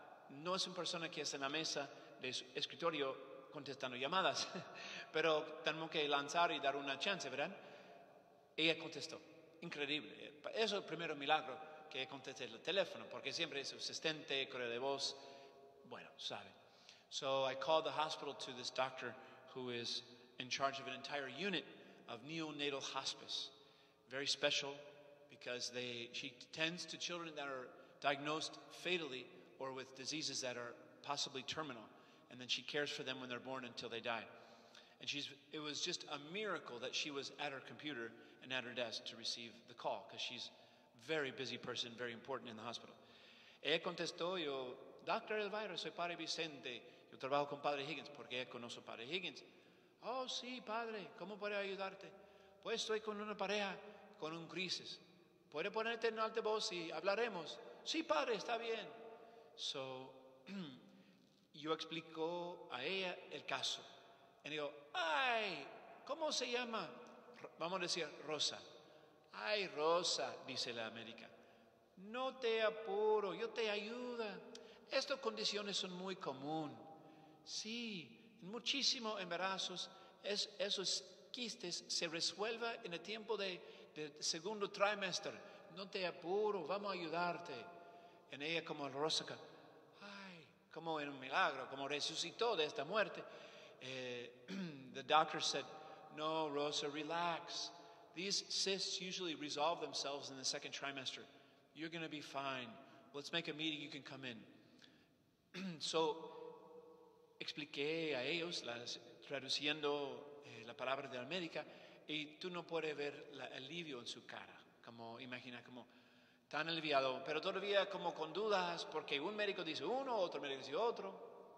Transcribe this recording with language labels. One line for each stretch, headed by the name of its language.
Spanish: No es una persona que está en la mesa de su escritorio contestando llamadas, pero tenemos que lanzar y dar una chance, ¿verdad? Ella contestó, increíble. Eso es el primer milagro, que conteste el teléfono, porque siempre es su asistente, correo de voz, bueno, sabe.
English: So I called the hospital to this doctor who is in charge of an entire unit of neonatal hospice. Very special because she tends to children that are diagnosed fatally or with diseases that are possibly terminal. And then she cares for them when they're born until they die. And it was just a miracle that she was at her computer and at her desk to receive the call, because she's a very busy person, very important in the hospital.
Spanish: Ella contestó, yo, Dr. Elvira, soy Padre Vicente. Yo trabajo con Padre Higgins, porque ella conoce a Padre Higgins. Oh, sí, Padre, ¿cómo puedo ayudarte? Pues estoy con una pareja, con un crisis. ¿Puede ponerte en altavoz y hablaremos? Sí, Padre, está bien. So, yo explico a ella el caso. Y digo, ay, ¿cómo se llama? Vamos a decir, Rosa. Ay, Rosa, dice la médica. No te apuro, yo te ayudo. Estas condiciones son muy comunes. Sí, muchísimo embarazos, esos quistes se resuelven en el tiempo de segundo trimestre. No te apuro, vamos a ayudarte. En ella como Rosa, ay, como en un milagro, como resucitó de esta muerte.
English: The doctor said, no, Rosa, relax. These cysts usually resolve themselves in the second trimester. You're going to be fine. Let's make a meeting, you can come in.
Spanish: So, expliqué a ellos, traduciendo la palabra de la médica, y tú no puedes ver el alivio en su cara. Como imagina, como tan aliviado, pero todavía como con dudas, porque un médico dice uno, otro médico dice otro.